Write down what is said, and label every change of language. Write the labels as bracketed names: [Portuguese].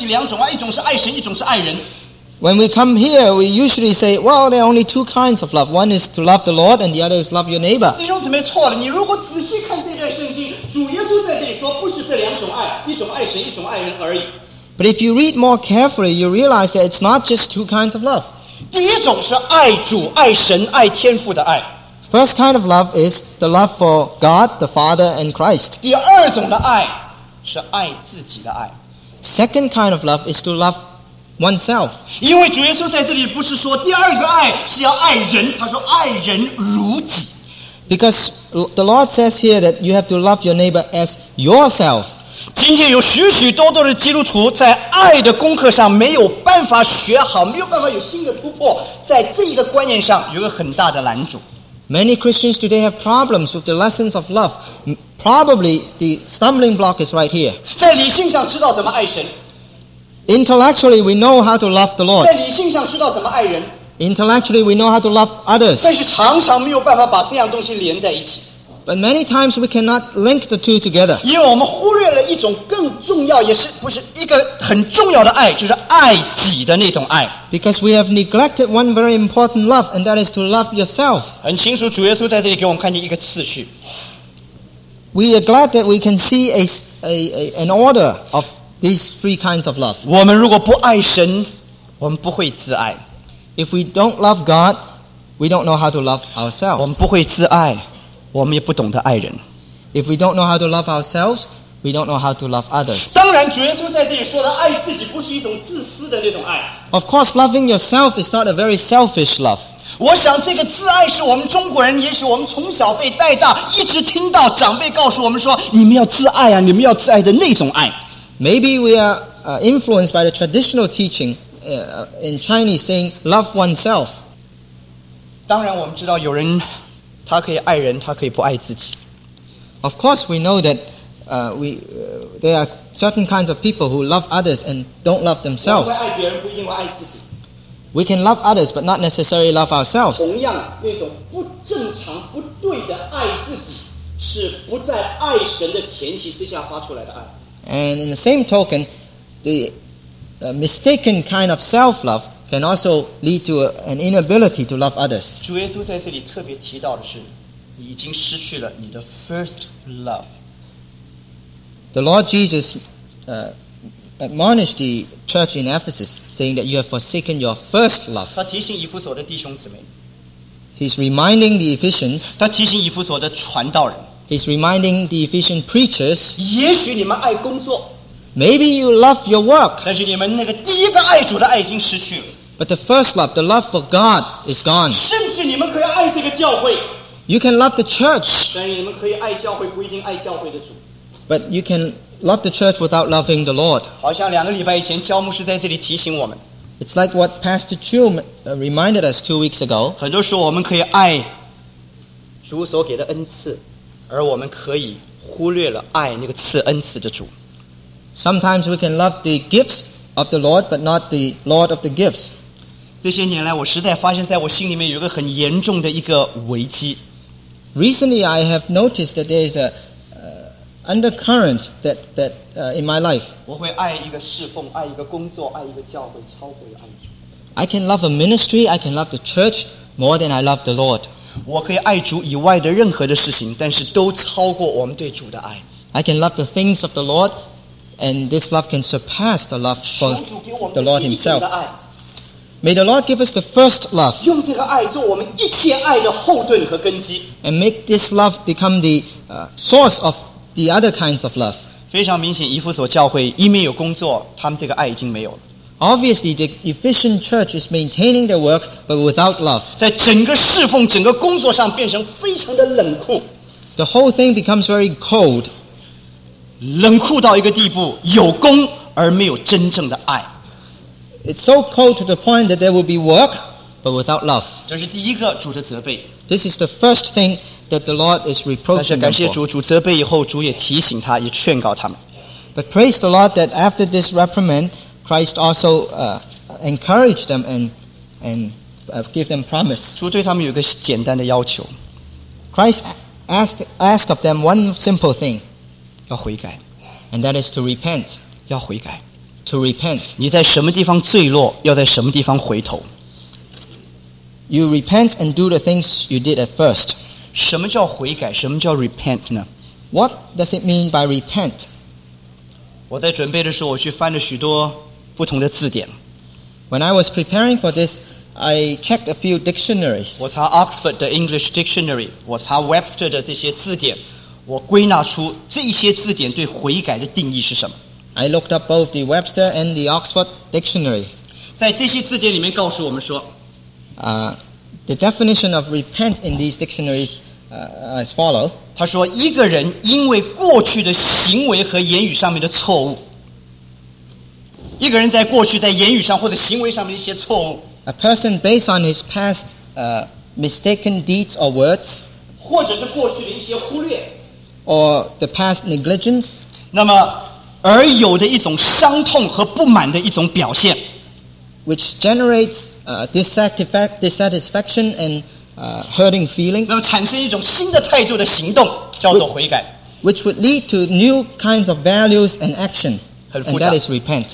[Chinese] 很多时候我们读到这段圣经的时候，我们一看，我们说这是两种，一种是爱神，一种是爱人。 [English] When we come here, we usually say, well, there are only two kinds of love. One is to love the Lord, and the other is love your neighbor. [Chinese] 弟兄姊妹错了，你如果仔细看这段圣经，主耶稣在这里说不是这两种爱，一种爱神，一种爱人而已。 [English] But if you read more carefully, you realize that it's not just two kinds of love. [Chinese] 第一种是爱主、爱神、爱天父的爱。 [English] First kind of love is the love for God, the Father, and Christ. [Chinese] 第二种的爱是爱自己的爱。 [English] Second kind of love is to love oneself. [Chinese] 因为主耶稣在这里不是说第二个爱是要爱人，他说爱人如己。 [English] Because the Lord says here that you have to love your neighbor as yourself. [Chinese] 今天有许许多多的基督徒在爱的功课上没有办法学好，没有办法有新的突破，在这一个观念上有个很大的拦阻。 [English] Many Christians today have problems with the lessons of love. Probably the stumbling block is right here. [Chinese] 在理性上知道怎么爱神。 [English] Intellectually, we know how to love the Lord. [Chinese] 在理性上知道怎么爱人。 [English] Intellectually, we know how to love others. [Chinese] 但是常常没有办法把这样东西连在一起。 [English] But many times we cannot link the two together. [Chinese] 因为我们忽略了一种更重要，也是不是一个很重要的爱，就是爱己的那种爱。 [English] Because we have neglected one very important love, and that is to love yourself. [Chinese] 很清楚，主耶稣在这里给我们看见一个次序。 [English] We are glad that we can see an order of these three kinds of love. [Chinese] 我们如果不爱神，我们不会自爱。 [English] If we don't love God, we don't know how to love ourselves. [Chinese] 我们不会自爱。我们也不懂得爱人。 [English] If we don't know how to love ourselves, we don't know how to love others. [Chinese] 当然，主耶稣在这里说的爱自己不是一种自私的那种爱。 [English] Of course, loving yourself is not a very selfish love. [Chinese] 我想这个自爱是我们中国人，也许我们从小被带大，一直听到长辈告诉我们说，你们要自爱啊，你们要自爱的那种爱。 [English] Maybe we are influenced by the traditional teaching in Chinese saying love oneself. [Chinese] 当然，我们知道有人他可以爱人，他可以不爱自己。 [English] Of course, we know that there are certain kinds of people who love others and don't love themselves. [Chinese] 我们爱别人不一定爱自己。 [English] We can love others, but not necessarily love ourselves. [Chinese] 同样，那种不正常、不对的爱自己，是不在爱神的前提之下发出来的爱。 [English] And in the same token, the mistaken kind of self-love. Can also lead to an inability to love others. [Chinese] 主耶稣在这里特别提到的是，你已经失去了你的 [English] first love. The Lord Jesus admonished the church in Ephesus, saying that you have forsaken your first love. [Chinese] 他提醒以弗所的弟兄姊妹。 [English] He's reminding the Ephesians. [Chinese] 他提醒以弗所的传道人。 [English] He's reminding the Ephesian preachers. [Chinese] 也许你们爱工作。 [English] Maybe you love your work. [Chinese] 但是你们那个第一个爱主的爱已经失去了。 [English] But the first love, the love for God, is gone. [Chinese] 甚至你们可以爱这个教会。 [English] You can love the church. [Chinese] 但是你们可以爱教会，不一定爱教会的主。 [English] But you can love the church without loving the Lord. [Chinese] 好像两个礼拜以前，焦牧师在这里提醒我们。 [English] It's like what Pastor Chu reminded us 2 weeks ago. [Chinese] 很多时候我们可以爱主所给的恩赐，而我们可以忽略了爱那个赐恩赐的主。 [English] Sometimes we can love the gifts of the Lord, but not the Lord of the gifts. [Chinese] 这些年来，我实在发现，在我心里面有一个很严重的一个危机。 [English] Recently, I have noticed that there is a undercurrent that in my life. [Chinese] 我会爱一个侍奉，爱一个工作，爱一个教会，超过爱主。 [English] I can love a ministry, I can love the church more than I love the Lord. [Chinese] 我可以爱主以外的任何的事情，但是都超过我们对主的爱。 [English] I can love the things of the Lord. And this love can surpass the love for the Lord himself. May the Lord give us the first love. And make this love become the source of the other kinds of love. [Chinese] 非常明显，以弗所教会一面有工作，他们这个爱已经没有了。 [English] Obviously, the Ephesian church is maintaining their work, but without love. [Chinese] 在整个侍奉、整个工作上变成非常的冷酷。 [English] The whole thing becomes very cold. [Chinese] 冷酷到一个地步，有功而没有真正的爱。 [English] It's so cold to the point that there will be work, but without love. [Chinese] 这是第一个主的责备。 [English] This is the first thing that the Lord is reproaching them for. [Chinese] 但是感谢主，主责备以后，主也提醒他，也劝告他们。 [English] But praise the Lord that after this reprimand, Christ also encouraged them and give them promise. [Chinese] 主对他们有一个简单的要求。 [English] Christ asked of them one simple thing. [Chinese] 要悔改 [English] and that is to repent. [Chinese] 要悔改 [English] to repent. [Chinese] 你在什么地方坠落，要在什么地方回头。 [English] You repent and do the things you did at first. [Chinese] 什么叫悔改？什么叫 repent 呢？ [English] What does it mean by repent? [Chinese] 我在准备的时候，我去翻了许多不同的字典。 [English] When I was preparing for this, I checked a few dictionaries. [Chinese] 我查 Oxford 的 English Dictionary, 我查 Webster 的这些字典。我归纳出这些字典对悔改的定义是什么。 [English] I looked up both the Webster and the Oxford Dictionary. [Chinese] 在这些字典里面告诉我们说 [English] The definition of repent in these dictionaries as follow. [Chinese] 他说一个人因为过去的行为和言语上面的错误一个人在过去在言语上或者行为上面的一些错误 [English] A person based on his past mistaken deeds or words [Chinese] 或者是过去的一些忽略 [English] Or the past negligence [Chinese] 那么而有的一种伤痛和不满的一种表现 [English] Which generates dissatisfaction and hurting feeling [Chinese] 那么产生一种新的态度的行动叫做悔改 [English] Which would lead to new kinds of values and action And that is repent.